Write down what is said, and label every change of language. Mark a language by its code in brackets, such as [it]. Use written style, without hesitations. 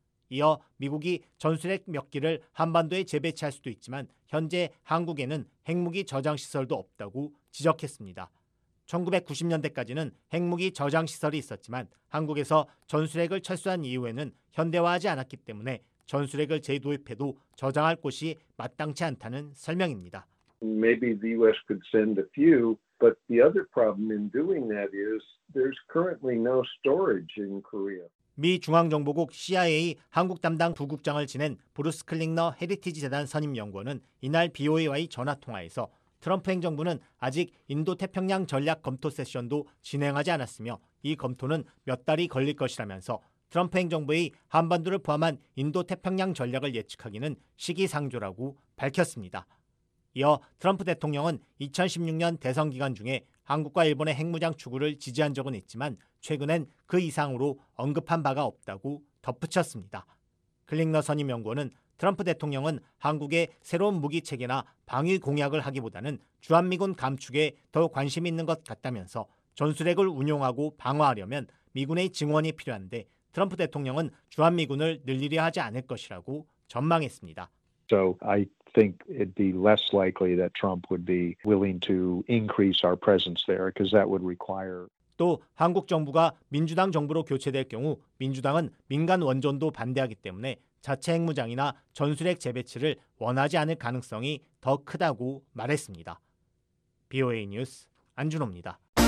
[ko] 이어 미국이 전술핵 몇 기를 한반도에 재배치할 수도 있지만 현재 한국에는 핵무기 저장시설도 없다고 지적했습니다. 1990년대까지는 핵무기 저장시설이 있었지만 한국에서 전술핵을 철수한 이후에는 현대화하지 않았기 때문에 전술핵을 재도입해도 저장할 곳이 마땅치 않다는 설명입니다. [en] Maybe the U.S. could send a few, but the other problem in doing that is there's currently no storage in Korea. [ko] 미 중앙정보국 CIA 한국 담당 부국장을 지낸 브루스 클링너 헤리티지 재단 선임 연구원은 이날 BOA와의 전화 통화에서 트럼프 행정부는 아직 인도태평양 전략 검토 세션도 진행하지 않았으며 이 검토는 몇 달이 걸릴 것이라면서 트럼프 행정부의 한반도를 포함한 인도태평양 전략을 예측하기는 시기상조라고 밝혔습니다. 이어 트럼프 대통령은 2016년 대선 기간 중에 한국과 일본의 핵무장 추구를 지지한 적은 있지만 최근엔 그 이상으로 언급한 바가 없다고 덧붙였습니다. 클링너 선임 연구원은 트럼프 대통령은 한국의 새로운 무기체계나 방위 공약을 하기보다는 주한미군 감축에 더 관심 있는 것 같다면서 전술핵을 운용하고 방어하려면 미군의 증원이 필요한데 트럼프 대통령은 주한미군을 늘리려 하지 않을 것이라고 전망했습니다. [en] So I think it'd be less likely that Trump would be willing to increase our presence there because that would require [ko] 또 한국 정부가 민주당 정부로 교체될 경우 민주당은 민간 원전도 반대하기 때문에 자체 핵무장이나 전술핵 재배치를 원하지 않을 가능성이 더 크다고 말했습니다. BOA 뉴스 안준호입니다.